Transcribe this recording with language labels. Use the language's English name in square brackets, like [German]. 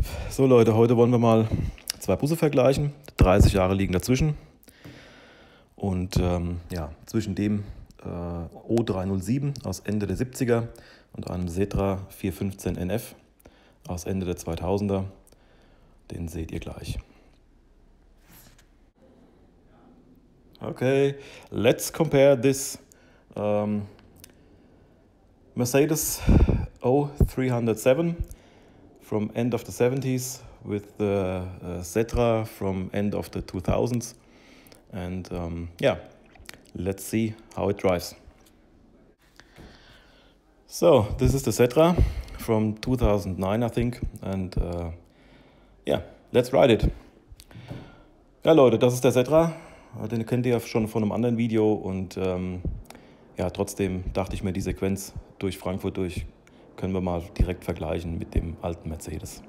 [German] So Leute, heute wollen wir mal zwei Busse vergleichen. 30 Jahre liegen dazwischen. Und zwischen dem O307 aus Ende der 70er und einem Setra 415 NF aus Ende der 2000er, den seht ihr gleich. [English] Okay, let's compare this Mercedes O307 from end of the 70s with the Setra from end of the 2000s. And let's see how it drives. So this is the Setra from 2009, I think. And let's ride it. [German] Ja Leute, das ist der Setra. Den kennt ihr ja schon von einem anderen Video. Und trotzdem dachte ich mir, die Sequenz durch Frankfurt durch, können wir mal direkt vergleichen mit dem alten Mercedes.